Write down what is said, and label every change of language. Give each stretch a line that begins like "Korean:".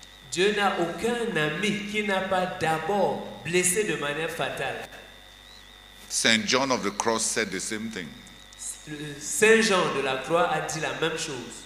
French: Dieu n'a aucun ami qui n'a pas d'abord blessé de manière fatale.
English: Saint John of the Cross said the same thing.
French: Saint Jean de la Croix a dit la même chose.